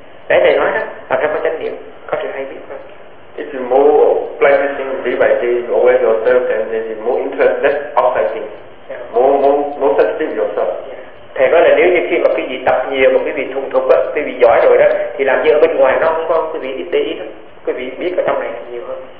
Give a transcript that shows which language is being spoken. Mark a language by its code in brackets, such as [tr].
[vi] Để thầy nói đó, thật ra có chánh niệm, có chuyện hay biết thôi. [en] If you more practicing day by day over yourself, then there is more interest, less outside thing. Yeah. More such thing yourself. Yeah. [vi] Thầy nói là nếu như khi mà quý vị tập nhiều mà quý vị thuần thục á, quý vị giỏi rồi đó, thì làm như ở bên ngoài nó không có quý vị ít để ý đó. Quý vị biết ở trong này thì nhiều hơn.